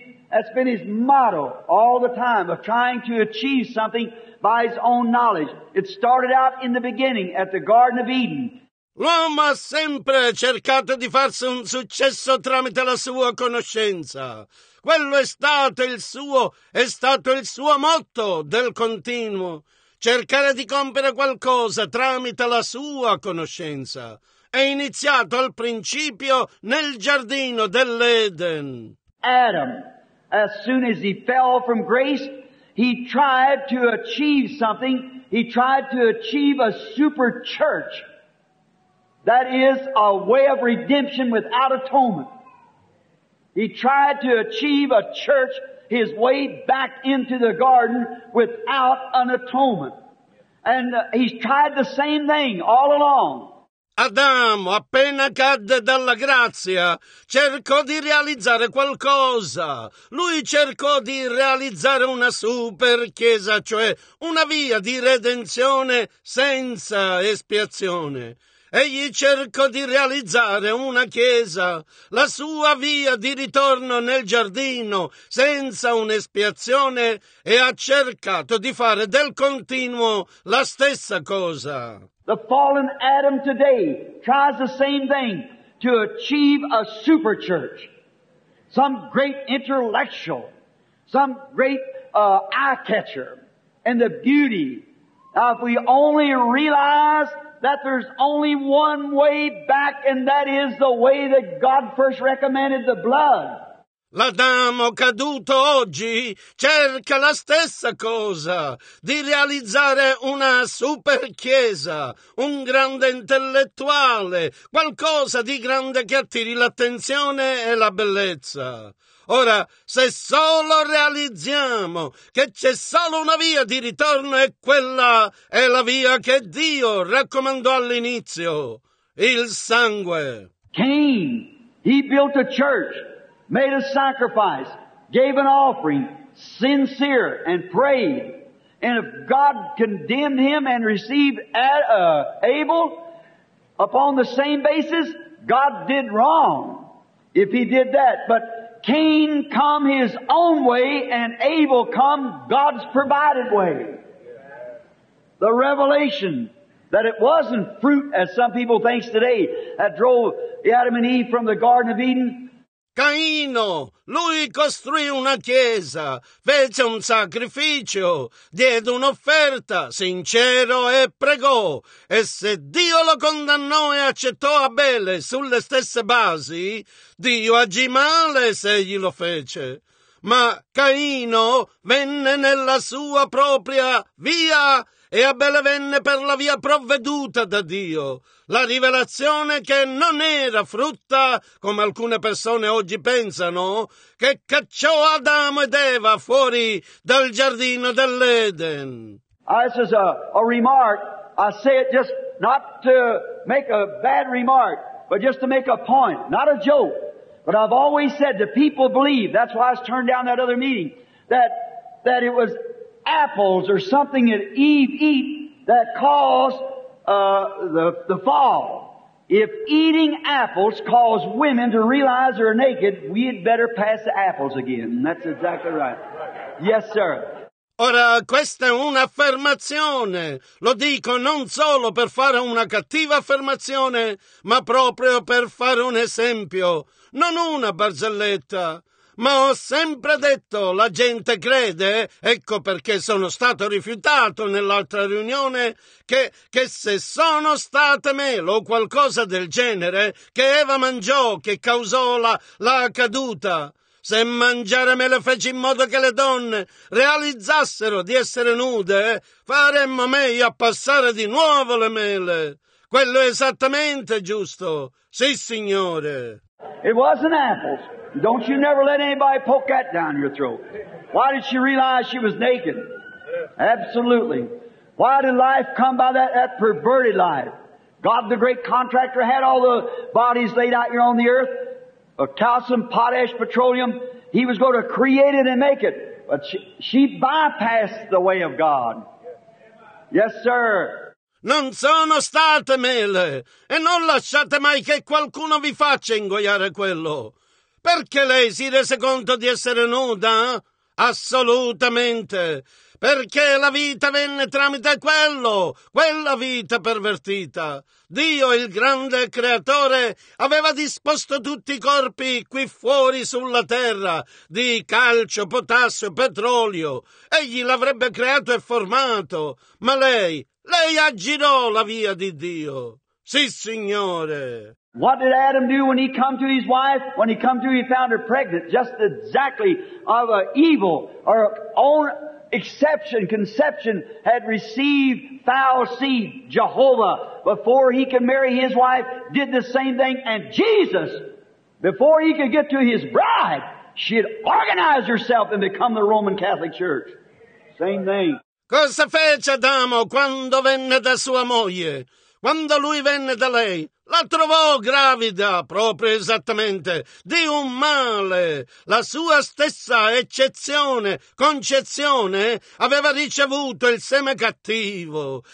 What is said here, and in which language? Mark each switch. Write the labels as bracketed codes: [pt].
[en] That's been his motto all the time, of trying to achieve something by his own knowledge. It started out in the beginning at the Garden of Eden. [it] L'uomo ha sempre cercato di farsi un successo tramite la sua conoscenza. Quello è stato il suo motto del continuo. Cercare di compiere qualcosa tramite la sua conoscenza. È iniziato al principio nel giardino dell'Eden. [en] Adam, as soon as he fell from grace, he tried to achieve something. He tried to achieve a super church. That is a way of redemption without atonement. He tried to achieve a church, his way back into the garden without an atonement. And he's tried the same thing all along. [it] Adamo, appena cadde dalla grazia, cercò di realizzare qualcosa. Lui cercò di realizzare una super chiesa, cioè una via di redenzione senza espiazione. Egli cercò di realizzare una chiesa, la sua via di ritorno nel giardino, senza un'espiazione, e ha cercato di fare del continuo la stessa cosa. [en] The fallen Adam today tries the same thing, to achieve a super church, some great intellectual, some great eye-catcher, and the beauty. Now, if we only realize that there's only one way back, and that is the way that God first recommended, the blood. [it] L'Adamo caduto oggi cerca la stessa cosa, di realizzare una super chiesa, un grande intellettuale, qualcosa di grande che attiri l'attenzione e la bellezza. Ora, se solo realizziamo che c'è solo una via di ritorno, e quella è la via che Dio raccomandò all'inizio, il sangue. [en] Cain, he built a church, made a sacrifice, gave an offering, sincere, and prayed. And if God condemned him and received Abel upon the same basis, God did wrong if he did that. But Cain come his own way, and Abel come God's provided way. The revelation that it wasn't fruit, as some people think today, that drove Adam and Eve from the Garden of Eden. [it] Caino, lui costruì una chiesa, fece un sacrificio, diede un'offerta, sincero, e pregò. E se Dio lo condannò e accettò Abele sulle stesse basi, Dio agì male se egli lo fece. Ma Caino venne nella sua propria via, e Abele venne per la via provveduta da Dio, la rivelazione che non era frutta, come alcune persone oggi pensano, che cacciò Adamo ed Eva fuori dal giardino dell'Eden. [en] This is a remark. I say it just not to make a bad remark, but just to make a point, not a joke. But I've always said the people believe, that's why I was turned down that other meeting, that it was apples or something that Eve eat that caused the fall. If eating apples caused women to realize they're naked, we had better pass the apples again. That's exactly right. Yes, sir. [it] Ora, questa è un'affermazione. Lo dico non solo per fare una cattiva affermazione, ma proprio per fare un esempio. Non una barzelletta. Ma ho sempre detto, la gente crede, ecco perché sono stato rifiutato nell'altra riunione, che se sono state mele o qualcosa del genere, che Eva mangiò, che causò la caduta. Se mangiare mele fece in modo che le donne realizzassero di essere nude, faremmo meglio a passare di nuovo le mele. Quello è esattamente giusto. Sì, signore. [en] It wasn't apples. Don't you never let anybody poke that down your throat. Why did she realize she was naked? Absolutely. Why did life come by that perverted life? God, the great contractor, had all the bodies laid out here on the earth. Calcium, potash, petroleum. He was going to create it and make it. But she bypassed the way of God. Yes, sir. [it] Non sono state mele. E non lasciate mai che qualcuno vi faccia ingoiare quello. Perché lei si rese conto di essere nuda? Assolutamente. Perché la vita venne tramite quella vita pervertita. Dio, il grande creatore, aveva disposto tutti i corpi qui fuori sulla terra, di calcio, potassio, petrolio. Egli l'avrebbe creato e formato. Ma lei aggirò la via di Dio. Sì, Signore. [en] What did Adam do when he come to his wife? When he come to, he found her pregnant. Just exactly of an evil, her own exception, conception, had received foul seed, Jehovah, before he could marry his wife, did the same thing. And Jesus, before he could get to his bride, she had organized herself and become the Roman Catholic Church. Same thing. [it] Cosa fece Adamo quando venne da sua moglie? Quando lui venne da lei, la trovò gravida, proprio esattamente, di un male. La sua stessa eccezione, concezione, aveva ricevuto il seme cattivo.